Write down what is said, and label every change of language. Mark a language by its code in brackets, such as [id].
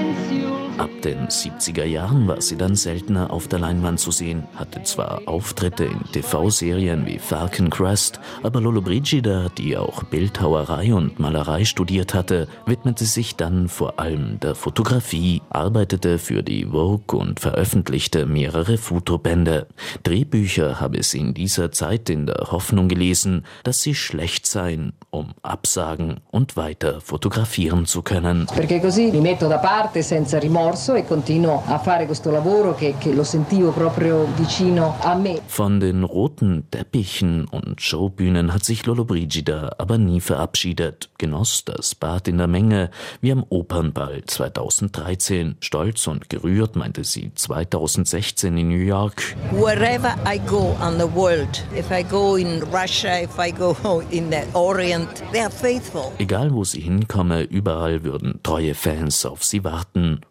[de] In den 70er Jahren war sie dann seltener auf der Leinwand zu sehen, hatte zwar Auftritte in TV-Serien wie Falcon Crest, aber Lollobrigida, die auch Bildhauerei und Malerei studiert hatte, widmete sich dann vor allem der Fotografie, arbeitete für die Vogue und veröffentlichte mehrere Fotobände. Drehbücher habe sie in dieser Zeit in der Hoffnung gelesen, dass sie schlecht seien, um absagen und weiter fotografieren zu können. [it] Perché così mi metto da parte senza rimorso. [de] Von den roten Teppichen und Showbühnen hat sich Lollobrigida aber nie verabschiedet, genoss das Bad in der Menge, wie am Opernball 2013. Stolz und gerührt meinte sie 2016 in New York. [en] Wherever I go on the world, if I go in Russia, if I go in the Orient, they are faithful. [de] Egal wo sie hinkomme, überall würden treue Fans auf sie warten.